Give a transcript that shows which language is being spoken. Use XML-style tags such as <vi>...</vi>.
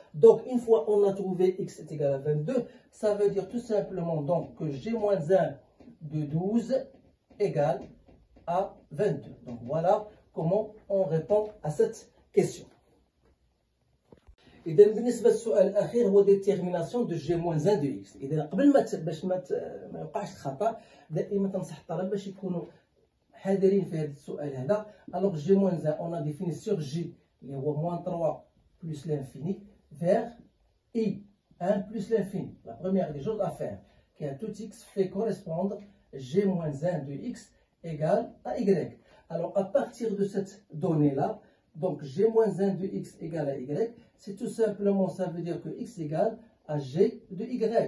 <fr>Donc une fois on a trouvé x est égal à 22, ça veut dire tout simplement donc que g moins 1 de 12 égale à 22. Donc voilà comment on répond à cette question. Et donc,</fr> <ar>بالنسبة للسؤال الأخير هو</ar> <fr>détermination de g moins 1 de x. Et donc,</fr> <ar>قبل ما باش ما يوقعش خطأ، دائما تنصح الطلبة باش يكونوا حاضرين في هذا السؤال هذا.</ar> <fr>Alors g moins 1, on a défini sur g</fr> <ar>اللي هو</ar> <fr>moins 3 plus l'infini vers i, 1 plus l'infini. La première des choses à faire, qui à tout x fait correspondre g moins 1 de x égale à y. Alors à partir de cette donnée-là, donc g moins 1 de x égale à y, c'est tout simplement, ça veut dire que x égale à g de y.</fr>